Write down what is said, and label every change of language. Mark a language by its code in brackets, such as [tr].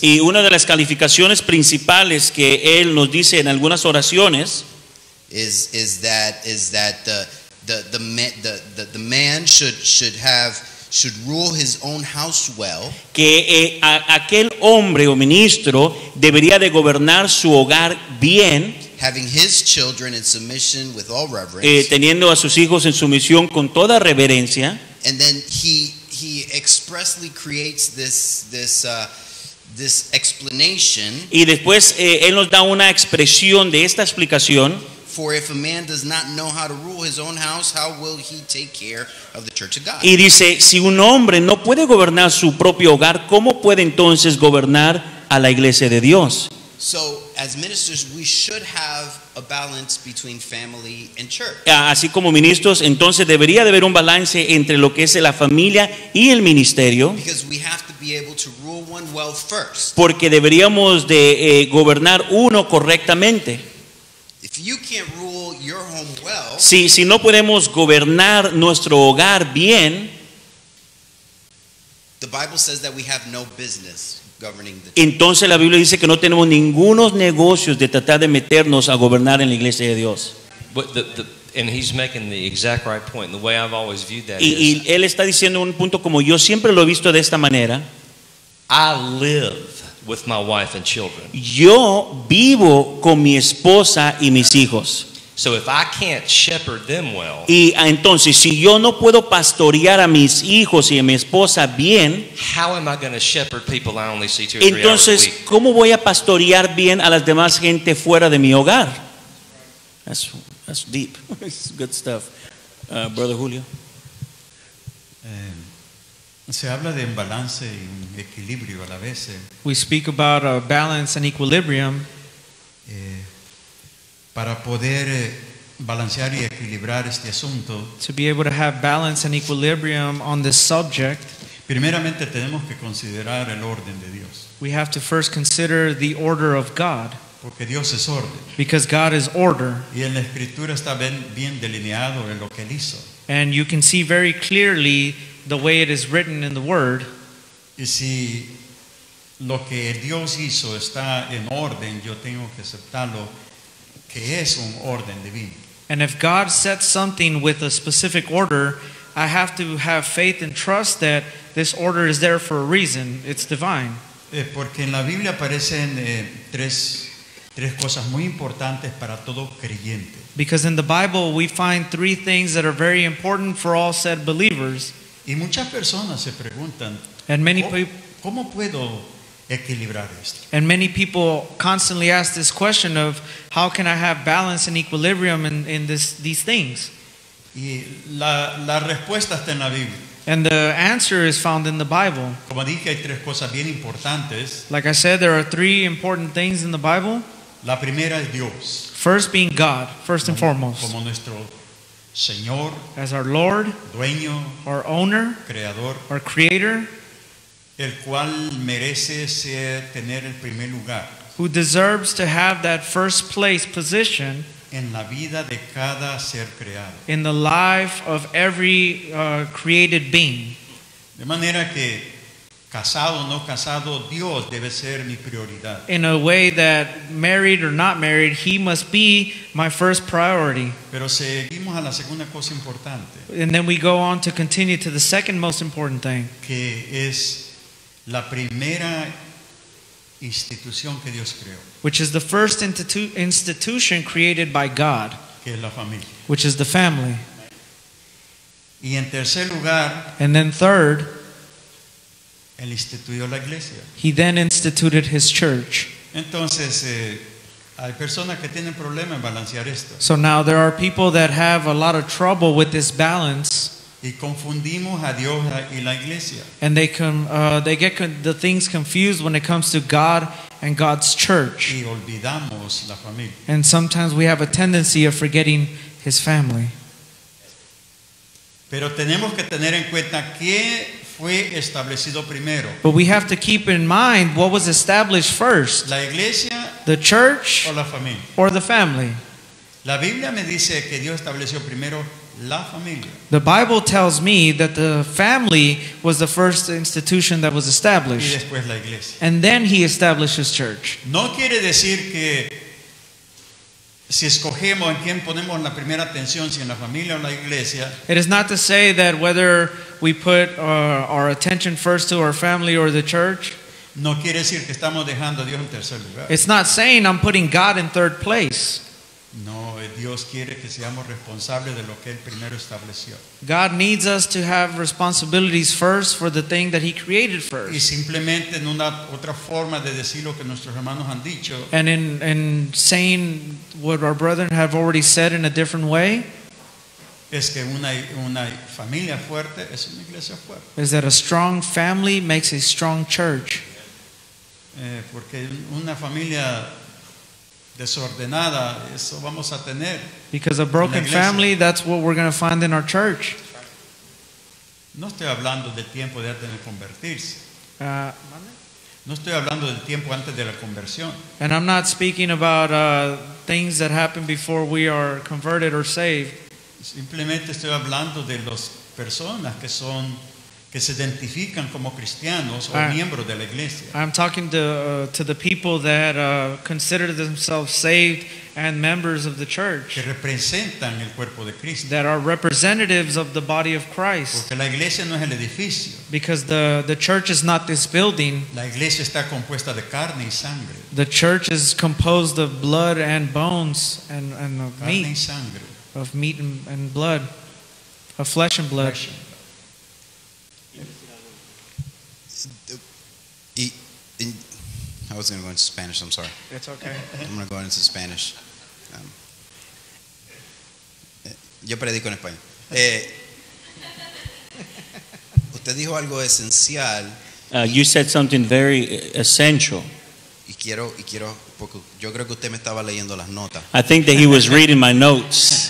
[es] Y una de las calificaciones principales que él nos dice en algunas oraciones [en] is that the man should have should rule his own house well. [es] Que aquel hombre o ministro debería de gobernar su hogar bien. [en] Having his children in submission with all reverence. [es] Teniendo a sus hijos en sumisión con toda reverencia. [en] And then he expressly creates this explanation. [es] Y después él nos da una expresión de esta explicación. [en] For if a man does not know how to rule his own house, how will he take care of the church of God? [es] Y dice, si un hombre no puede gobernar su propio hogar, ¿cómo puede entonces gobernar a la iglesia de Dios? [en] So, as ministers, we should have a balance between family and church. [es] Así como ministros, entonces debería de haber un balance entre lo que es la familia y el ministerio. [en] Because we have to be able to rule one well first. [es] Porque deberíamos de gobernar uno correctamente. [en] If you can't rule your home well, [es] si no podemos gobernar nuestro hogar bien, [en] the Bible says that we have no business governing the. [es] Entonces la Biblia dice que no tenemos ningunos negocios de tratar de meternos a gobernar en la iglesia de Dios. [en] And he's making the exact right point. The way I've always viewed that. [es] Y él está diciendo un punto como yo siempre lo he visto de esta manera. [en] I live with my wife and children. [es] Yo vivo con mi esposa y mis hijos. [en] So if I can't shepherd them well, [es] y entonces si yo no puedo pastorear a mis hijos y a mi esposa bien, [en] how am I going to shepherd people I only see 2 or 3 [es] entonces, [en] hours a week? [es] ¿Cómo voy a pastorear bien a las demás gente fuera de mi hogar? [en] That's deep. It's good stuff. Brother Julio. [es] Se habla de un balance y un equilibrio a la vez. [en] We speak about a balance and equilibrium. [es] Para poder balancear y equilibrar este asunto. [en] To be able to have balance and equilibrium on this subject. [es] Primeramente tenemos que considerar el orden de Dios. [en] We have to first consider the order of God. [es] Porque Dios es orden. [en] Because God is order. [es] Y en la escritura está bien delineado en lo que él hizo. [en] And you can see very clearly the way it is written in the word. [es] Y si lo que Dios hizo está en orden, yo tengo que aceptarlo que es un orden divino. [en] And if God sets something with a specific order, I have to have faith and trust that this order is there for a reason. It's divine. [es] Porque en la Biblia aparecen tres cosas muy importantes para todo creyente. [en] Because in the Bible we find three things that are very important for all said believers. [es] Y muchas personas se preguntan, [en] and many [es] ¿cómo puedo equilibrar esto? [en] And many people constantly ask this question of how can I have balance and equilibrium in these things? [es] Y la respuesta está en la Biblia. [en] And the answer is found in the Bible. [es] Como dije, hay tres cosas bien importantes. [en] Like I said, there are three important things in the Bible. [es] La primera es Dios. [en] First being God, first [es] como, [en] and foremost. [es] Como nuestro Señor, [en] as our Lord, [es] dueño, [en] our owner, [es] creador, [en] our creator, [es] el cual merece ser tener el primer lugar, [en] who deserves to have that first place position [es] en la vida de cada ser creado, [en] in the life of every created being. [es] De manera que casado o no casado, Dios debe ser mi prioridad. [en] In a way that married or not married, he must be my first priority. [es] Pero seguimos a la segunda cosa importante. [en] And then we go on to continue to the second most important thing. [es] Que es la primera institución que Dios creó. [en] Which is the first institution created by God. [es] Que es la familia. [en] Which is the family. [es] Y en tercer lugar, [en] and then third, [es] él instituyó la iglesia. [en] He then instituted his church. [es] Entonces, hay personas que tienen problemas en balancear esto. [en] So now there are people that have a lot of trouble with this balance. [es] Y confundimos a Dios y la iglesia. [en] And the things confused when it comes to God and God's church. [es] Y olvidamos la familia. [en] And sometimes we have a tendency of forgetting his family. [es] Pero tenemos que tener en cuenta qué fue establecido primero. [en] But we have to keep in mind what was established first. [es] La iglesia, [en] the church, [es] o la familia. [en] Or the family. [es] La Biblia me dice que Dios estableció primero la familia. [en] The Bible tells me that the family was the first institution that was established. [es] Y después la iglesia. [en] And then he established his church. [es] No quiere decir que si escogemos en quién ponemos la primera atención, si en la familia o la iglesia. [en] It is not to say that whether we put our attention first to our family or the church. [es] No quiere decir que estamos dejando a Dios en tercer lugar. [en] It's not saying I'm putting God in third place. [es] No, Dios quiere que seamos responsables de lo que Él primero estableció. [en] God needs us to have responsibilities first for the thing that He created first. [es] Y simplemente en una otra forma de decir lo que nuestros hermanos han dicho. [en] And in saying what our brethren have already said in a different way. [es] Es que una familia fuerte es una iglesia fuerte. [en] Is that a strong family makes a strong church. [es] Porque una familia desordenada, eso vamos a tener. [en] Because a broken family, that's what we're going to find in our church. [es] No estoy hablando del tiempo de antes de convertirse. No estoy hablando del tiempo antes de la conversión. [en] And I'm not speaking about things that happen before we are converted or saved. [es] Simplemente estoy hablando de las personas que son, que se identifican como cristianos o miembros de la iglesia. [en] I'm talking to the people that consider themselves saved and members of the church. [es] Que representan el cuerpo de Cristo. [en] That are representatives of the body of Christ. [es] Porque la iglesia no es el edificio. [en] Because the church is not this building. [es] La iglesia está compuesta de carne y sangre. [en] The church is composed of blood and bones and of [es] carne [en] meat. [es] Carne y sangre. [en] Of meat and blood. Of flesh and blood. Flesh. I was going to go into Spanish, I'm sorry. It's okay. I'm going to go into Spanish. [es] Yo predico en español. Usted dijo algo esencial. [en] You said something very essential. [es] Yo creo que usted me estaba leyendo las notas. [en] I think that he was reading my notes.